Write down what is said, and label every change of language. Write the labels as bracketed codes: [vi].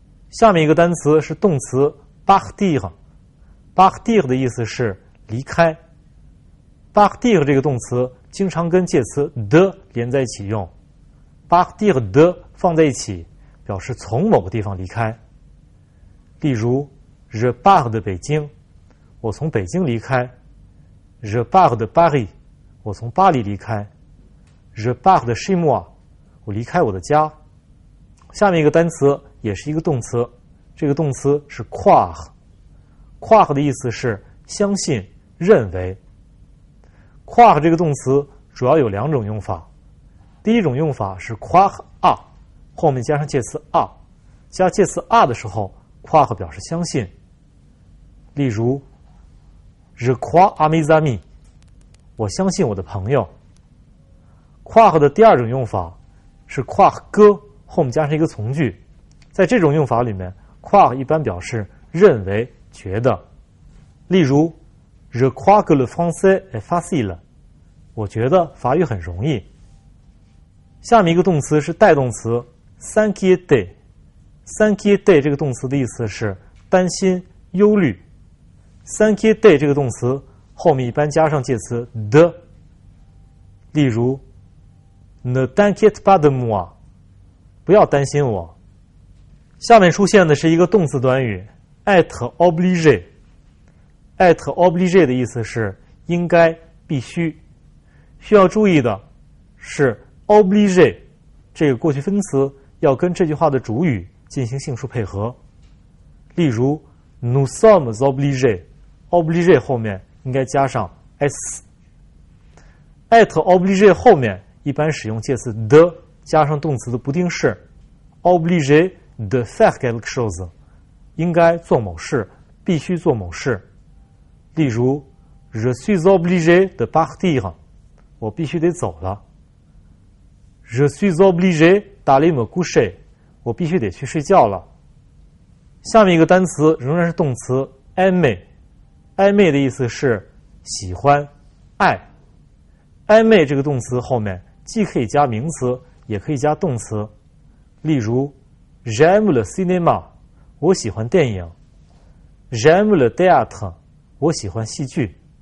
[zh] 下面一个单词是动词 partir， partir 的意思是离开。 partir 这个动词经常跟介词 de 连在一起用， partir de 放在一起表示从某个地方离开。例如 je pars de 北京，我从北京离开， [fr] je pars de Paris， [zh] 我从巴黎离开， [fr] je pars de chez moi， [zh] 我离开我的家。下面一个单词也是一个动词，这个动词是 croire， croire 的意思是相信认为。 croire 这个动词主要有两种用法，第一种用法是 croire à， 后面加上介词 à， 加介词 à 的时候 croire 表示相信。例如 [fr] je crois à mes amis， [zh] 我相信我的朋友。 croire 的第二种用法是 croire que， 后面加上一个从句，在这种用法里面 croire 一般表示认为觉得。 [fr] 例如Je crois que le français est facile. [zh] 我觉得法语很容易。下面一个动词是带动词 s'inquiéter。s'inquiéter 这个动词的意思是担心、忧虑。 s'inquiéter 这个动词后面一般加上介词 de。 [fr] 例如 ne t'inquiète pas de moi， [zh] 不要担心我。下面出现的是一个动词短语 être obligé。 être obligé 的意思是应该必须。需要注意的是 obligé 这个过去分词要跟这句话的主语进行性数配合。例如 [fr] nous sommes obligé， [zh] obligé 后面应该加上 s。 être obligé 后面一般使用介词 de 加上动词的不定式 [fr] obligé de faire quelque chose， [zh] 应该做某事，必须做某事。 [fr] 例如 Je suis obligé de partir， [zh] 我必须得走了。 [fr] Je suis obligé d'aller me coucher， [zh] 我必须得去睡觉了。下面一个单词仍然是动词 aimer， aimer 的意思是喜欢爱。 aimer 这个动词后面既可以加名词也可以加动词。例如 [fr] J'aime le cinéma， [zh] 我喜欢电影。 [fr] J'aime le théâtre， [zh] 我喜欢戏剧。